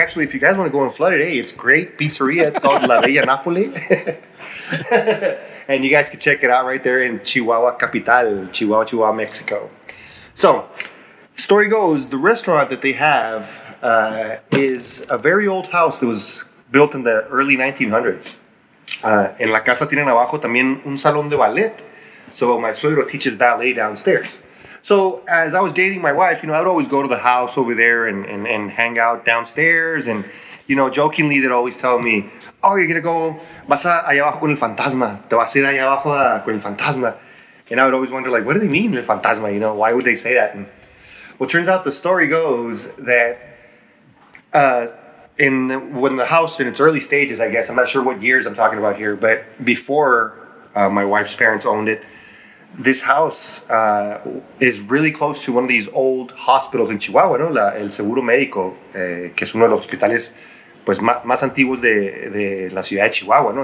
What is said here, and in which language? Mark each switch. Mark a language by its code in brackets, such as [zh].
[en] Actually, if you guys want to go and flood it, hey, it's great pizzeria. It's called La Bella Napoli. And you guys can check it out right there in Chihuahua Capital, Chihuahua, Chihuahua, Mexico. So, story goes, the restaurant that they have is a very old house that was built in the early 1900s. [es] En la casa tienen abajo también un salón de ballet. [en] So my suegro teaches ballet downstairs. So as I was dating my wife, you know, I would always go to the house over there and hang out downstairs. And, you know, jokingly, they'd always tell me, oh, you're going to go, [es] vas allá abajo con el fantasma. Te vas a ir allá abajo con el fantasma. [en] And I would always wonder, like, what do they mean, [es] el fantasma? [en] You know, why would they say that? And, well, turns out the story goes that when the house in its early stages, I guess, I'm not sure what years I'm talking about here, but before my wife's parents owned it, this house is really close to one of these old hospitals in Chihuahua, ¿no? [es] El Seguro Médico, que es uno de los hospitales pues más antiguos de la ciudad de Chihuahua, ¿no?